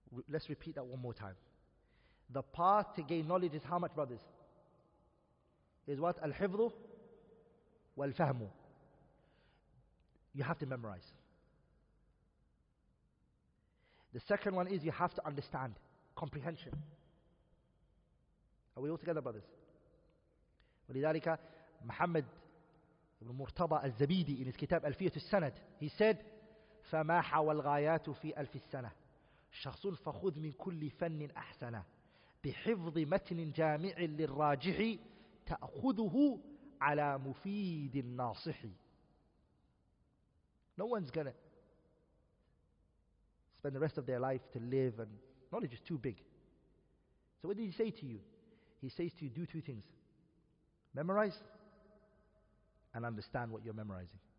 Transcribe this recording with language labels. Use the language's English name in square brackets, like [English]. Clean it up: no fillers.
[English] Let's repeat that one more time. The path to gain knowledge is how much, brothers? Is what? Al-hifdhu wal-fahmu. You have to memorize. The second one is you have to understand. Comprehension. Are we all together, brothers? [Arabic] ولذلك محمد بن مرتضى الزبيدي in his kitab ألفية السند, he said فما حوى الغايات في ألف السنة شخص فخذ من كل فن أحسن بحفظ متن جامع للراجح تأخذه على مفيد الناصح. [English] No one's gonna spend the rest of their life to live, and knowledge is too big. So what did he say to you? He says to you, do two things. Memorize and understand what you're memorizing.